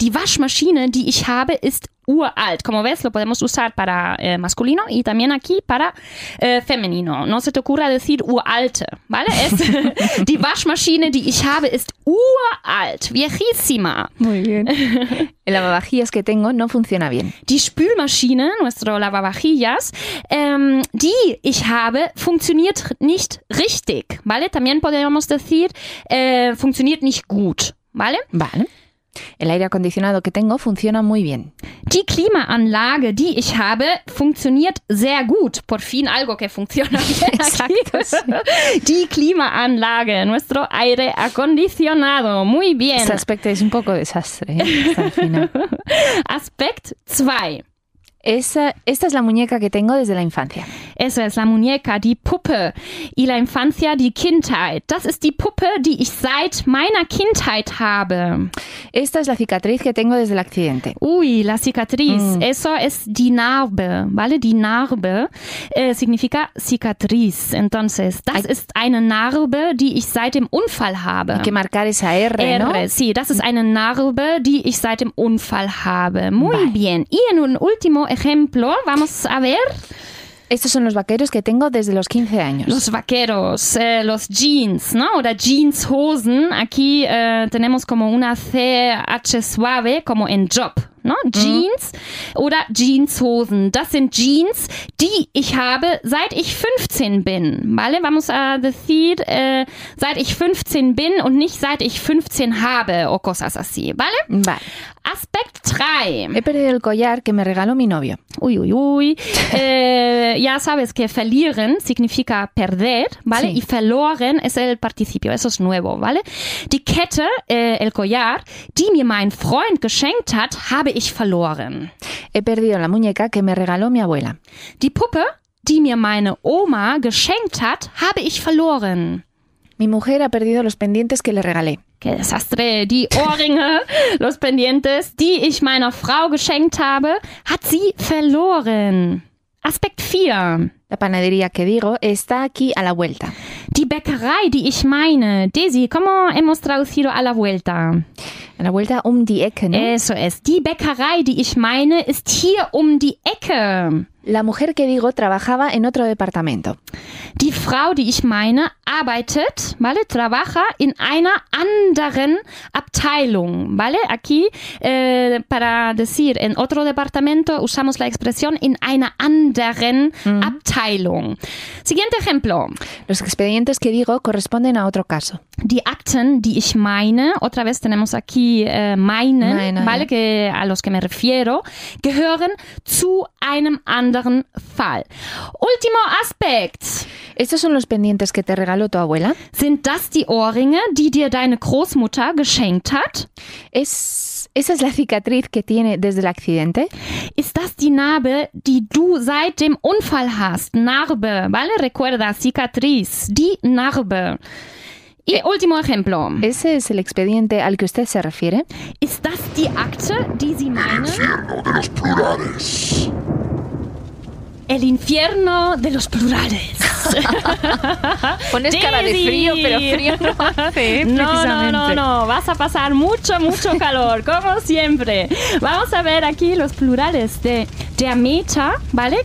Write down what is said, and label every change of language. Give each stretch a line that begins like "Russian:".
German: Die Waschmaschine, die ich habe, ist uralt.
Spanish: Como ves, lo podemos usar para masculino y también aquí para femenino. No se te ocurra decir uralte, ¿vale? Es die Waschmaschine, die ich habe, ist uralt. Viejísima. Muy bien. El lavavajillas que tengo no funciona bien.
German: Die Spülmaschine,
Spanish: nuestro lavavajillas,
German: die ich habe, funktioniert nicht richtig, ¿vale?
Spanish: También podemos decir
German: funktioniert nicht gut,
Spanish: ¿vale? Vale. El aire acondicionado que tengo funciona muy bien.
German: Die Klimaanlage, die ich habe, funktioniert sehr gut.
Spanish: Por fin algo que funciona bien. Exacto. Sí. Die Klimaanlage, nuestro aire acondicionado. Muy bien. Este aspecto es un poco desastre, ¿eh? Aspect 2. Esta es la muñeca que tengo desde la infancia. Esa es la muñeca, die Puppe. Y la infancia,
German: die Kindheit. Das ist die Puppe, die ich seit meiner Kindheit habe.
Spanish: Esta es la cicatriz que tengo desde el accidente. Uy, la cicatriz. Mm. Eso es die Narbe, ¿vale? Die Narbe significa cicatriz.
German: Entonces, das ist eine Narbe, die ich seit dem Unfall habe.
Spanish: Hay que marcar esa R, R, ¿no?
German: Sí, das ist eine Narbe, die ich seit dem Unfall habe.
Spanish: Muy Bye. Bien. Y en un último ejemplo, vamos a ver. Estos son los vaqueros que tengo desde los 15 años. Los vaqueros, los jeans, ¿no? O jeanshosen. Aquí tenemos como una CH suave, como en job, ¿no?
German: Jeans oder Jeanshosen. Das sind Jeans, die ich habe, seit ich 15 bin. ¿Vale?
Spanish: Vamos a decir
German: seit ich 15 bin und nicht seit ich 15 habe
Spanish: o cosas así. ¿Vale? Vale. Aspect 3. He perdido el collar que me regaló mi novio. Uy, uy, uy. ya sabes que verlieren significa perder, ¿vale? Sí. Y verloren es el participio, eso es nuevo, ¿vale?
German: Die Kette,
Spanish: el collar,
German: die mir mein Freund geschenkt hat, habe ich verloren.
Spanish: He perdido la muñeca que me regaló mi abuela.
German: Die Puppe, die mir meine Oma geschenkt hat, habe ich verloren.
Spanish: Mi mujer ha perdido los pendientes que le regalé. ¡Qué desastre!
German: Die Ohrringe,
Spanish: los pendientes,
German: die ich meiner Frau geschenkt habe, hat sie verloren. Aspekt 4.
Spanish: La panadería que digo está aquí a la vuelta.
German: Die Bäckerei, die ich meine.
Spanish: Daisy, ¿cómo hemos traducido a la vuelta? A la vuelta die Ecke, ¿no? Eso es.
German: Die Bäckerei, die ich meine, ist hier die Ecke.
Spanish: La mujer que digo trabajaba en otro departamento.
German: Die Frau, die ich meine, arbeitet,
Spanish: ¿vale?
German: Trabaja in einer anderen Abteilung, ¿vale?
Spanish: Aquí, para decir en otro departamento, usamos la expresión
German: in einer anderen Abteilung.
Spanish: Siguiente ejemplo. Los expedientes que digo corresponden a otro caso.
German: Die Akten, die ich meine,
Spanish: otra vez tenemos aquí
German: meinen, ¿vale?
Spanish: Que a los que me refiero,
German: gehören zu einem anderen Fall.
Spanish: Último aspect. ¿Estos son los pendientes que te regaló tu abuela?
German: Sind das die Ohrringe, die dir deine Großmutter geschenkt hat?
Spanish: ¿Esa es la cicatriz que tiene desde el accidente?
German: Ist das die Narbe, die du seit dem Unfall hast?
Spanish: Narbe, ¿vale? Recuerda, cicatriz, die Narbe. Y último ejemplo. ¿Ese es el expediente al que usted se refiere?
German: ¿Es das die Akte, die Sie meinen?
Spanish: El infierno de los plurales. El infierno de los plurales. Pones cara de frío, pero frío no hace. No, no, no, no. Vas a pasar mucho, mucho calor, como siempre. Vamos a ver aquí los plurales de der Meter, ¿vale?